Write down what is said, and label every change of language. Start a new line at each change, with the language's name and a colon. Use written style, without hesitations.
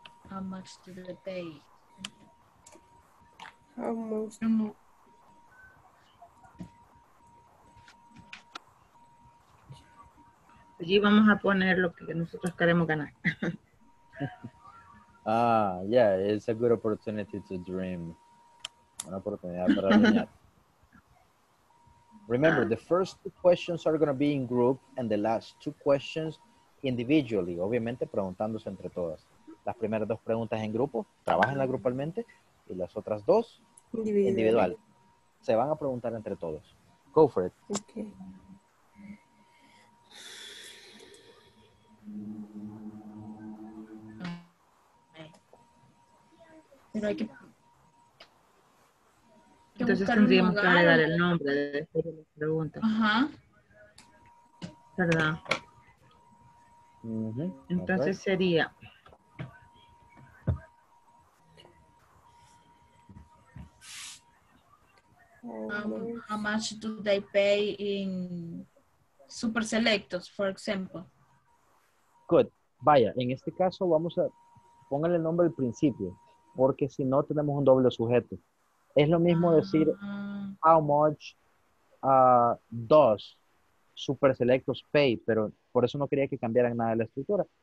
English: How much do they pay? How much?
Spanish: Allí vamos a poner lo que nosotros queremos ganar.
English: Ah, yeah, it's a good opportunity to dream.
Spanish: Una oportunidad para soñar.
English: Remember, the first two questions are going to be in group and the last two questions individually.
Spanish: Obviamente preguntándose entre todas. Las primeras dos preguntas en grupo, trabajenla grupalmente, y las otras dos, individual. Se van a preguntar entre todos.
English: Go for it. Okay.
Spanish: Entonces tendríamos que agregar el nombre de la pregunta. Ajá. ¿Verdad? Uh-huh. Entonces sería...
English: how much do they pay in super selectos, for example? Good.
Spanish: Vaya, en este caso vamos a póngale el nombre al principio, porque si no tenemos un doble sujeto. Es lo mismo decir
English: how much does super selectos pay,
Spanish: pero por eso no quería que cambiaran nada de la estructura.